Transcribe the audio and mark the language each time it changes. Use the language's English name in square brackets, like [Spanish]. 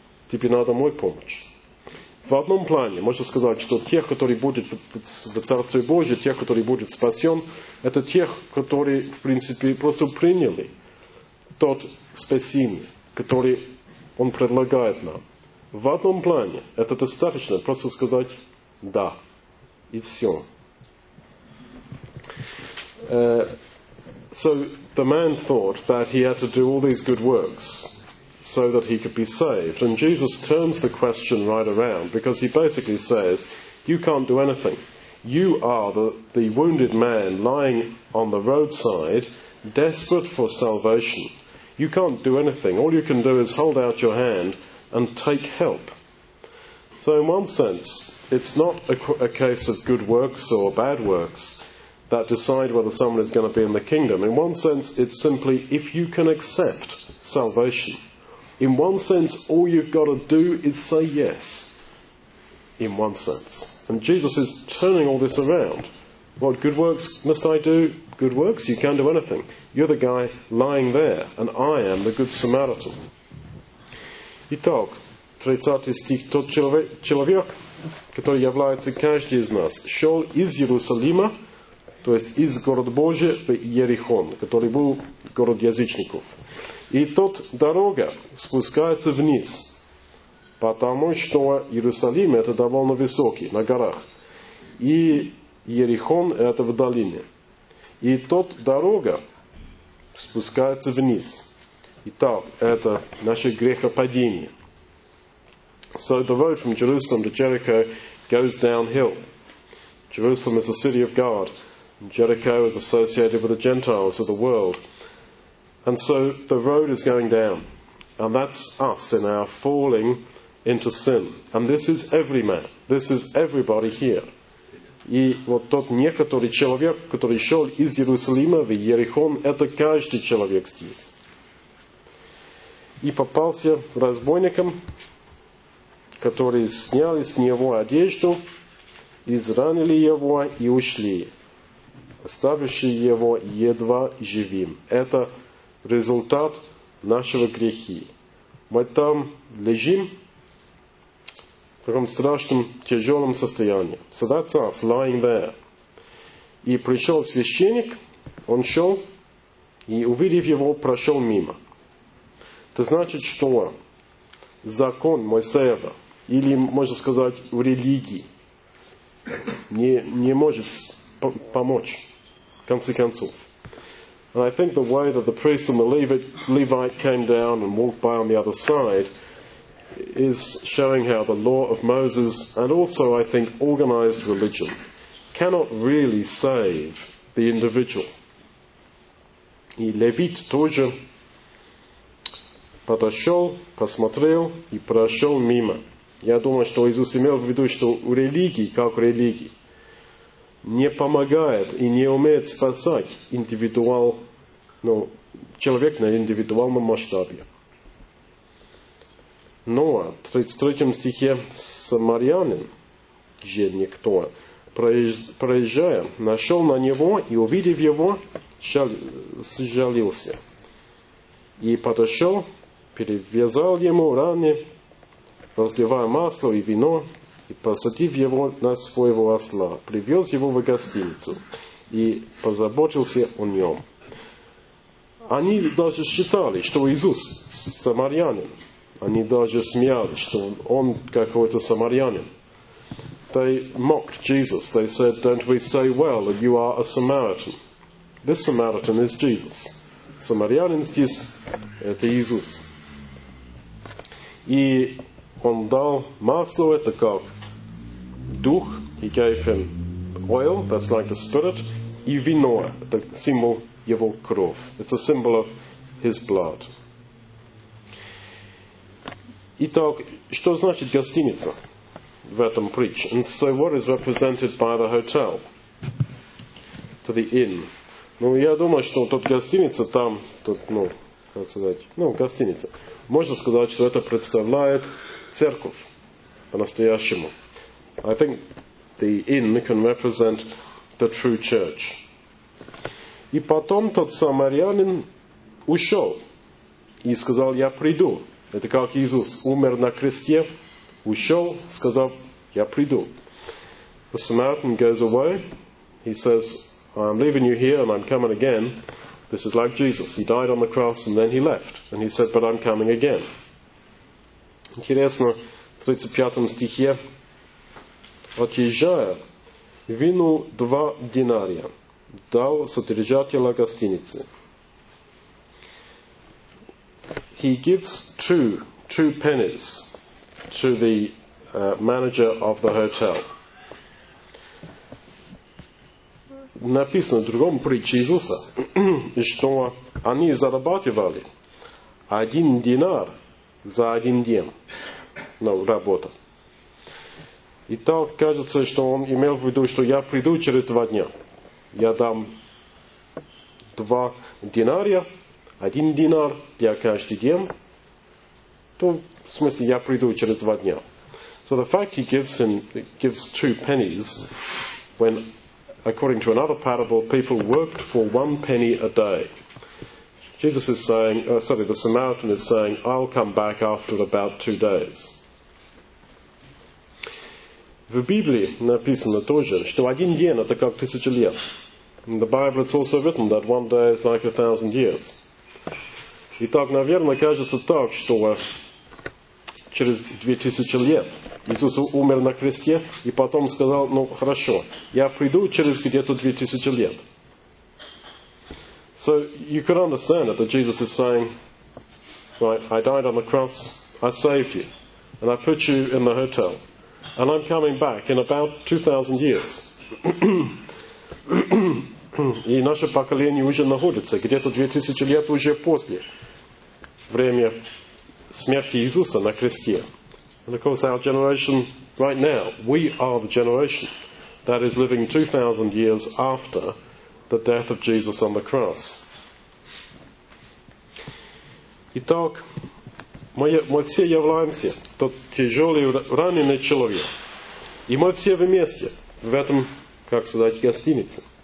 [Russian] Тебе надо мой помощь. В одном плане можно сказать, что тех, которые будут в Царстве Божьем, тех, которые будут спасен, это тех, которые, в принципе, просто приняли тот спасение, который он предлагает нам. В одном плане это достаточно просто сказать «да». И все. [English] So the man thought that he had to do all these good works so that he could be saved. And Jesus turns the question right around, because he basically says, you can't do anything. You are the wounded man lying on the roadside, desperate for salvation. You can't do anything. All you can do is hold out your hand and take help. So in one sense, it's not a case of good works or bad works that decide whether someone is going to be in the kingdom. In one sense, it's simply if you can accept salvation. In one sense, all you've got to do is say yes. In one sense. And Jesus is turning all this around. What good works must I do? Good works? You can't do anything. You're the guy lying there, and I am the good Samaritan. [Russian] Итак, 30 стих. Тот человек, который является каждый из нас, шел из Иерусалима, то есть из города Божия, в Иерихон, который был город язычников. И тот дорога спускается вниз, потому что Иерусалим это довольно высокий, на горах. И Иерихон это в долине. И тот дорога спускается вниз. Итак, это наше грехопадение. [English] So the road from Jerusalem to Jericho goes downhill. Jerusalem is the city of God. Jericho is associated with the Gentiles of the world. And so the road is going down. And that's us in our falling into sin. And this is every man. This is everybody here. [Russian] И вот тот некоторый человек, который шел из Иерусалима в Иерихон, это каждый человек здесь. И попался разбойником, которые сняли с него одежду, изранили его и ушли, оставившие его едва живым. Это результат нашего грехи. Мы там лежим, таком страшном, тяжелом состоянии. [English] So that's us, lying there. [Russian] И пришел священник, он шел, и увидев его, прошел мимо. Это значит, что закон Моисеева, или можно сказать, в религии, не может помочь, в конце концов. [English] And I think the way that the priest and the Levite came down and walked by on the other side is showing how the law of Moses, and also, I think, organized religion, cannot really save the individual. [Russian] И Левит тоже подошел, посмотрел и прошел мимо. Я думаю, что Иисус имел в виду, что у религии, как у религии, не помогает и не умеет спасать индивидуал, ну, человек на индивидуальном масштабе. Но в 33 стихе самарянин, же никто, проезжая, нашел на него и, увидев его, сжалился. И подошел, перевязал ему раны, разливая масло и вино, и посадив его на своего осла, привез его в гостиницу и позаботился о нем. Они даже считали, что Иисус самарянин. Они даже смеялись, что он какой-то самарянин. [English] They mocked Jesus. They said, "Don't we say well that you are a Samaritan? This Samaritan is Jesus." [Russian] Самарянин здесь — это Иисус. И он дал масло, это как дух, [English] he gave him oil, that's like the spirit, [Russian] и вино, это символ его кров. [English] It's a symbol of his blood. [Russian] Итак, что значит гостиница в этом притче? [English] And so what is represented by the hotel? To the inn. [Russian] Ну, я думаю, что тут гостиница, там, тут, ну, как сказать, ну, гостиница. Можно сказать, что это представляет церковь по-настоящему. [English] I think the inn can represent the true church. [Russian] И потом тот самарянин ушел и сказал, я приду. Это как Иисус умер на кресте, ушел, сказал, я приду. [English] The Samaritan goes away. He says, I'm leaving you here and I'm coming again. This is like Jesus. He died on the cross and then he left. And he said, but I'm coming again. [Russian] Интересно, в 35 стихе, отъезжая, вынул два динария, дал содержателю гостиницы. [English] He gives two pennies to the manager of the hotel. [Russian] Написано в другом притче Иисуса, что они зарабатывали один динар за один день, ну, работа. И так кажется, что он имел в виду, что я приду через два дня. Я дам два динария, один динар для каждый день. То, в смысле, я приду через два дня. [English] So the fact he gives him, gives two pennies, when, according to another parable, people worked for one penny a day. Jesus is saying, the Samaritan is saying, I'll come back after about two days. [Russian] В Библии написано тоже, что один день — это как тысяча лет. [English] In the Bible it's also written that one day is like a thousand years. [Russian] Итак, наверное, кажется так, что через 2000 лет Иисус умер на кресте и потом сказал, ну хорошо, я приду через где-то 2000 лет. [English] So you could understand it, that Jesus is saying, right, I died on the cross, I saved you, and I put you in the hotel, and I'm coming back in about 2000 years. [Russian] И наше поколение уже находится где-то 2000 лет уже после времени смерти Иисуса на кресте. [English] And of course our generation right now, we are the generation that is living 2000 years after the death of Jesus on the cross. [Russian] Итак, мы все являемся тот тяжелый раненый человек. И мы все вместе в этом, как сказать, гостинице.